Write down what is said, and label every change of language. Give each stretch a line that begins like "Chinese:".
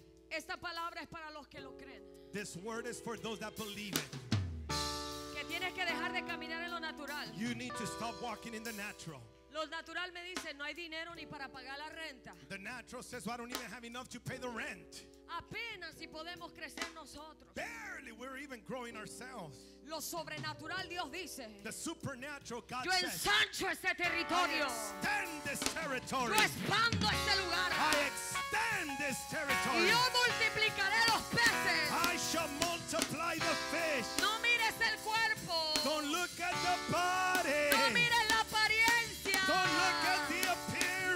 Spanish: Esta palabra es para los que lo creen.
English: This word is for those that believe it.
Spanish: Que tienes que dejar de caminar en lo natural.
English: You need to stop walking in the natural.
Spanish: Lo natural me dice, no hay dinero ni para pagar la renta.
English: The natural says, well, I don't even have enough to pay the rent.
Spanish: Apenas si podemos crecer nosotros.
English: Barely we're even growing ourselves.
Spanish: Lo sobrenatural Dios dice.
English: The supernatural God says.
Spanish: Yo ensancho este territorio.
English: I extend this territory.
Spanish: Yo expando este lugar.
English: I extend this territory.
Spanish: Yo multiplicaré los peces.
English: I shall multiply the fish.
Spanish: No mires el cuerpo.
English: Don't look at the body.
Spanish: No mires la apariencia.
English: Don't look at the appearance.